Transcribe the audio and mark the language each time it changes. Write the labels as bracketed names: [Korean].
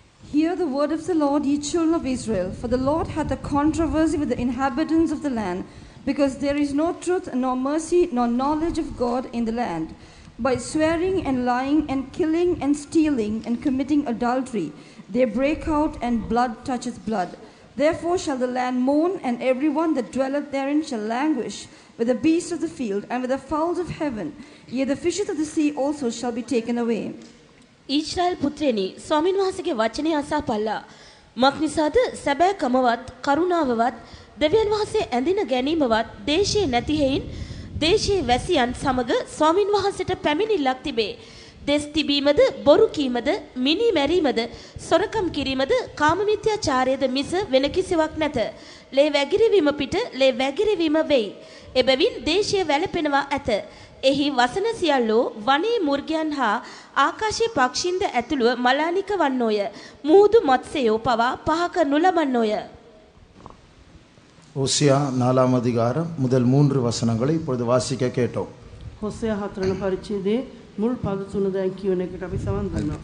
[English] Hear the word of the Lord, ye children of Israel, for the Lord hath a controversy with the inhabitants of the land, because there is no truth, nor mercy, nor knowledge of God in the land, by swearing and lying and killing and stealing and committing adultery. They break out and blood toucheth blood. Therefore shall the land mourn, and everyone that dwelleth therein shall languish with the beasts of the field and with the fowls of heaven. Yea, the fishes of the sea also shall be taken away. [Sinhala] Israel පුත්‍රයනි, ස්වාමීන් වහන්සේගේ වචනේ අසා පල්ලා. මක් නිසාද සැබෑකමවත් කරුණාවවත් දෙවියන් වහන්සේ ඇඳින ගැනීමවත් දේශයේ නැති හේයින් දේශයේ වැසියන් සමග ස්වාමීන් වහන්සේට පැමිණිල්ලක් තිබේ. දෙස් තිබීමද, බොරු කීමද, මිනි මැරීමද, සොරකම් කිරීමද, කාමමිත්‍යාචාරයද මිස වෙන කිසිවක් නැත. ලේ වැගිරවීම පිට ලේ වැගිරවීම වෙයි. එබැවින් දේශයේ වැළපෙනවා ඇත. එහි වසන සියල්ලෝ වනේ මුර්ගයන් හා ආකාශයේ පක්ෂීන්ද ඇතුළුව මලානික වන්නෝය. මූදු මත්සයෝ පවා පහක නුලමන්නෝය. [Tamil] ஓசியா 4 அதிகாரம் முதல் 3 வசனங்களை இப்பொழுது வாசிக்க கேட்டோம். ஓசியா 4 பரிச்சயதே [Sinhala] මුල් පද තුන දැන් කියවන එකට අපි සවන් දෙනවා.